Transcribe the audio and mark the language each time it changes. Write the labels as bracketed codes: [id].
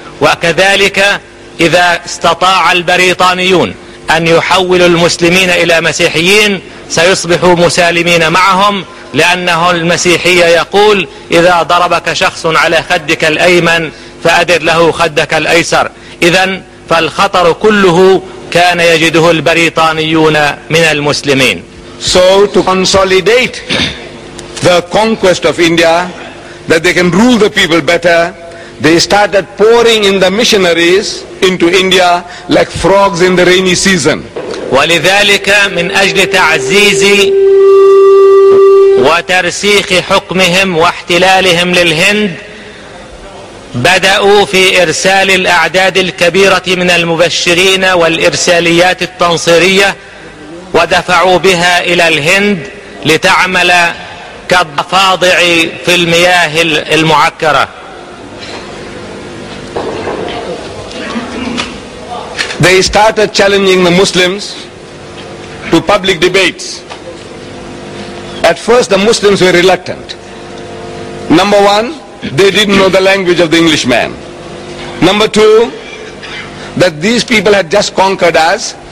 [ar] وكذلك إذا استطاع البريطانيون أن يحولوا المسلمين إلى مسيحيين سيصبحوا مسالمين معهم، لأنه المسيحي يقول إذا ضربك شخص على خدك الأيمن فأدر له خدك الأيسر. إذن فالخطر كله كان يجده البريطانيون من المسلمين. [en] So to consolidate the conquest of India, that they can rule the people better, they started pouring in the missionaries into India like frogs in the rainy season. [ar] ولذلك من أجل تعزيز وت... وترسيخ حكمهم واحتلالهم للهند بدأوا في إرسال الأعداد الكبيرة من المبشرين والإرساليات التنصيرية ودفعوا بها إلى الهند لتعمل كالضفادع في المياه المعكرة. [en] They started challenging the Muslims to public debates. At first the Muslims were reluctant. Number one, they didn't know the language of the Englishman. Number two, that these people had just conquered us.